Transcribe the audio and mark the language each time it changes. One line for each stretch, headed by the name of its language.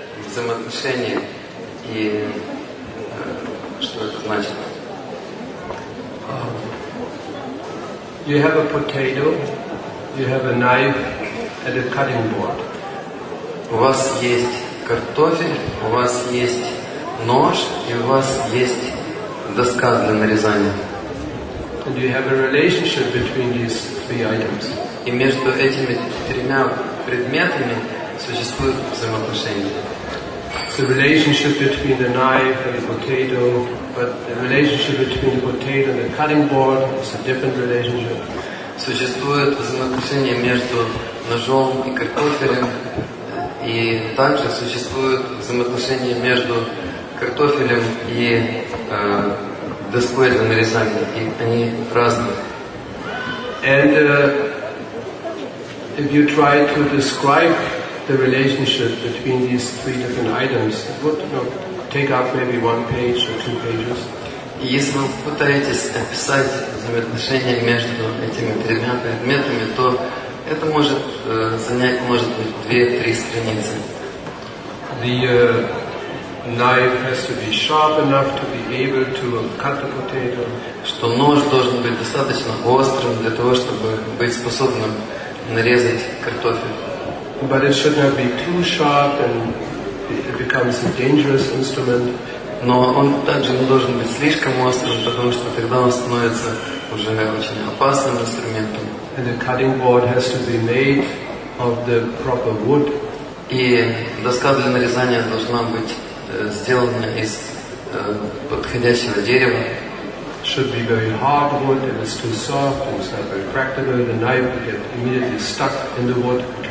Russian: спасение и что это значит.
English: You have a potato, you have a knife and a cutting board.
Russian: У вас есть картофель, у вас есть нож и у вас есть доска для нарезания.
English: And you have a relationship between these three items.
Russian: И между этими тремя предметами существует взаимоотношение.
English: The relationship between the knife and the potato, but the relationship between the potato and the cutting board is a different relationship.
Russian: Существует взаимоотношение между ножом и картофелем, и также существует взаимоотношение между картофелем и доской для нарезания, и они разные.
English: And if you try to describe the relationship between these three different items, it would, you know, take up maybe one page or two pages.
Russian: Если вы пытаетесь описать взаимоотношения между этими тремя предметами, то это может занять, может быть, 2-3 страницы.
English: The knife has to be sharp enough to be able to cut the potato.
Russian: Что нож должен быть достаточно острым для того, чтобы быть способным нарезать картофель.
English: But it should not be too sharp, and it becomes a dangerous instrument.
Russian: Но он также не должен быть слишком острым, потому что тогда он становится уже очень опасным инструментом.
English: And the cutting board has to be made of the proper wood.
Russian: И доска для нарезания должна быть сделана из подходящего дерева.
English: Should be very hard wood. If it's too soft, it's not very practical. The knife would get immediately stuck in the wood.